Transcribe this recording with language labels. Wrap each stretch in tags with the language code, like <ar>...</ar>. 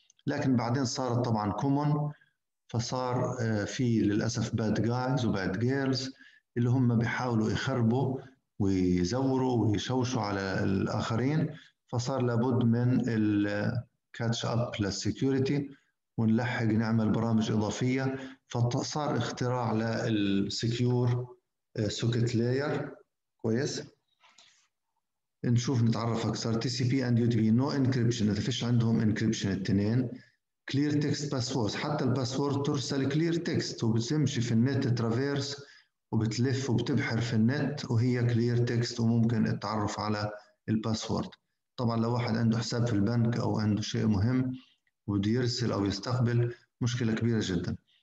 <ar>لكن بعدين صارت طبعا كومون، فصار في للأسف باد جايز وباد جيرلز اللي هم بيحاولوا يخربوا ويزوروا ويشوشوا على الآخرين، فصار لابد من الكاتش أب للسيكوريتي ونلحق نعمل برامج إضافية، فصار اختراع للسيكيور سوكيت لاير كويس. نشوف نتعرف أكثر.</ar> <en>TCP and UDP no encryption،</en> <ar>إذا فيش عندهم encryption التنين.</ar> <en>Clear text passwords،</en> <ar>حتى الباسورد ترسل clear text وبتمشي في النت ترافيرس وبتلف وبتبحر في النت وهي clear text، وممكن التعرف على الباسورد. طبعا لو واحد عنده حساب في البنك أو عنده شيء مهم وبده يرسل أو يستقبل، مشكلة كبيرة جدا.</ar>